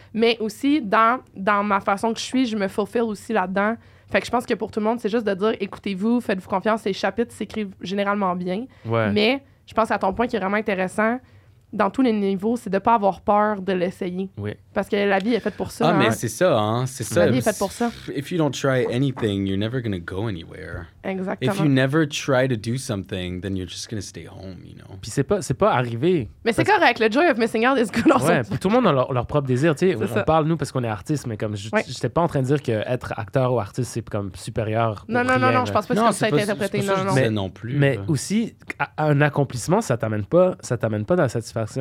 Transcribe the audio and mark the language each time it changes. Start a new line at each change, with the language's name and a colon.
French: Mais aussi, dans ma façon que je suis, je me fulfill aussi là-dedans. Fait que je pense que pour tout le monde, c'est juste de dire écoutez-vous, faites-vous confiance. Les chapitres s'écrivent généralement bien. Ouais. Mais je pense à ton point qui est vraiment intéressant. Dans tous les niveaux, c'est de ne pas avoir peur de l'essayer. Oui. Parce que la vie est faite pour ça. hein? Mais c'est ça, hein? C'est ça. La vie est faite pour ça.
English: If you don't try anything, you're never going to go anywhere.
French: Exactement.
English: If you never try to do something, then you're just going to stay home, you know?
French: Puis c'est pas arrivé. Mais parce... c'est correct. Le
English: joy of missing out is good.
French: Ouais, puis tout le monde a leur propre désir, tu sais. On ça. Parle, nous, parce qu'on est artistes, mais comme j'étais pas en train de dire qu'être acteur ou artiste, c'est comme supérieur. Non, je pense pas que ça a été interprété. Non, c'est pas ça non plus. Mais aussi, un accomplissement, ça t'amène pas dans cette satisfaction.